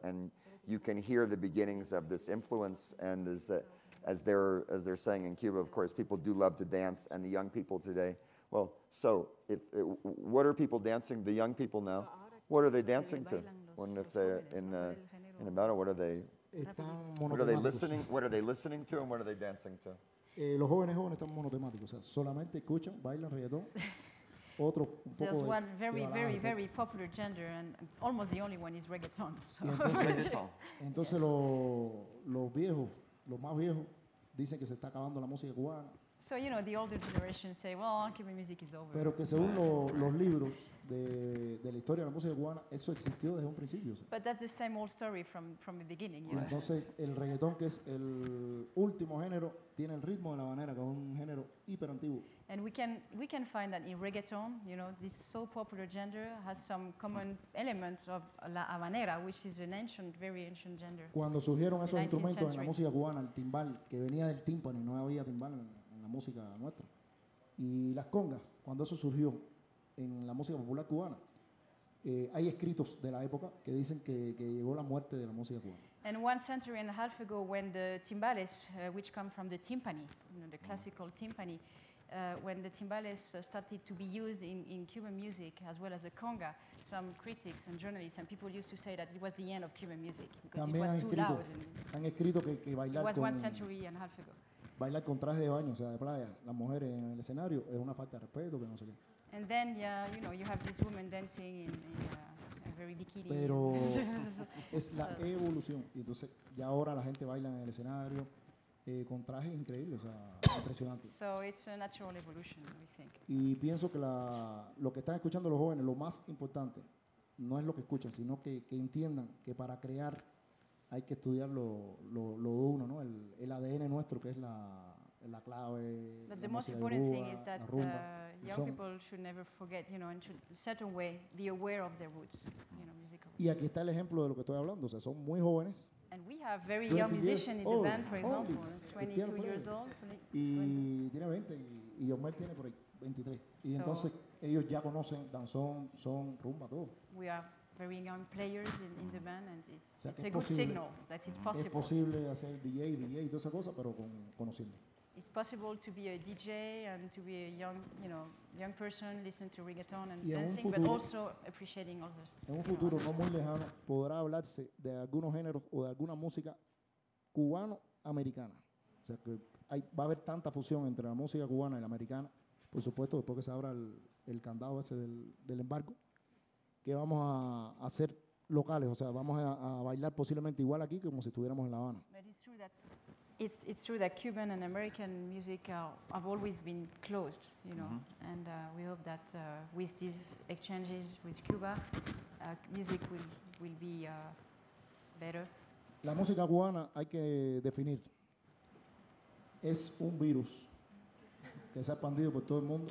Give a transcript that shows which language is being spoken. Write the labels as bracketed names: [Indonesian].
[English] And you can hear the beginnings of this influence and is that, As they're saying in Cuba, of course, people do love to dance, and the young people today. Well, so if what are people dancing? The young people now, what are they dancing to? When if they're in the battle, what are they listening? What are they listening to, and what are they dancing to? [Spanish] Los jóvenes están monotemáticos, o sea, solamente escuchan, bailan reggaetón. [English] There's one very, very, very popular gender, and almost the only one is reggaeton. [Spanish] Entonces los viejos. Los más viejos dicen que se está acabando la música cubana. [English] So, you know, the older generation say, well, Cuban music is over. [Spanish] Pero que según los libros de de la historia de la música cubana, eso existió desde un principio. ¿Sí? [English] But that's the same old story from the beginning. You know? [Spanish] Entonces, el reggaetón, que es el último género, tiene el ritmo de la habanera, que es un género hiper antiguo. [English] And we can find that in reggaeton, you know, this so popular genre has some common elements of la habanera, which is an ancient, very ancient genre. [Spanish] Cuando surgieron esos instrumentos en la música cubana, el timbal, que venía del tímpano y no había timbal en la música nuestra, y las congas, cuando eso surgió en la música popular cubana, hay escritos de la época que dicen que llegó la muerte de la música cubana. [English] And one century and a half ago, when the timbales, which come from the timpani, you know, the classical timpani, when the timbales started to be used in Cuban music as well as the conga, some critics and journalists and people used to say that it was the end of Cuban music because [Spanish] también [English] it was [Spanish] escrito, [English] too loud. [Spanish] Han escrito que bailar [English] it was [Spanish] con, [English] one century and a half ago. [Spanish] Bailar con traje de baño, o sea, de playa, las mujeres en el escenario es una falta de respeto, que no sé qué. [English] And then, yeah, you know, you have this woman dancing in a very bikini. [Spanish] Pero es la evolución. Y entonces, ya ahora la gente baila en el escenario con trajes increíbles, o sea, impresionante. [English] So it's a natural evolution, we think. [Spanish] Y pienso que lo que están escuchando los jóvenes, lo más importante, no es lo que escuchan, sino que entiendan que para crear hay que estudiar lo uno, ¿no? El ADN nuestro, que es la clave. [English] But the most important thing is that young people should never forget, you know, and should in a certain way be aware of their roots, you know, musical. [Spanish] Y aquí está el ejemplo de lo que estoy hablando, o sea, son muy jóvenes. [English] And we have very young musician in the band, for example, 22 years old. [Spanish] Y tiene 20 y Yomel tiene por ahí 23. Y entonces ellos ya conocen danzón, son rumba, todo. [English] We are very young players in the band, and it's a good signal that it's possible. [Spanish] Es posible hacer DJ y toda esa cosa, pero con conociendo. [English] It's possible to be a DJ and to be a young, you know, young person listening to reggaeton and dancing, [Spanish] futuro, [English] but also appreciating others. [Spanish] En un futuro no muy lejano podrá hablarse de algunos géneros o de alguna música cubano-americana. O sea, que va a haber tanta fusión entre la música cubana y la americana, por supuesto, después que se abra el candado ese del embargo, que vamos a ser locales, o sea, vamos a bailar posiblemente igual aquí como si estuviéramos en La Habana. [English] It's true that Cuban and American music have always been closed, you know, mm-hmm. and we hope that with these exchanges with Cuba, music will be better. [Spanish] La música cubana hay que definir. Es un virus que se ha expandido por todo el mundo.